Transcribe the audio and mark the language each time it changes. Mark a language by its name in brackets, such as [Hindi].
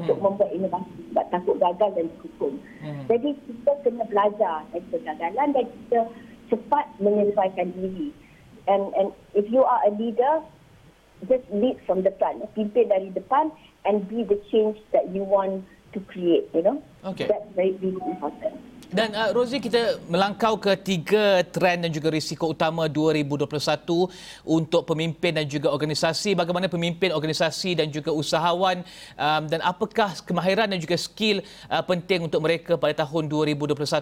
[Malay] untuk membuat inovasi sebab takut gagal dan dihukum. Mm-hmm. Jadi kita kena belajar dari kegagalan dan kita cepat menyesuaikan diri. [English] And if you are a leader, just lead from the front. [Malay] Pimpin dari depan [English] and be the change that you want to create, you know. [Malay] Okay. [English] That's very, very important. [Malay] Dan Rosie, kita melangkau ke tiga trend dan juga risiko utama 2021 untuk pemimpin dan juga organisasi. Bagaimana pemimpin, organisasi dan juga usahawan dan apakah kemahiran dan juga skill penting untuk mereka pada tahun 2021?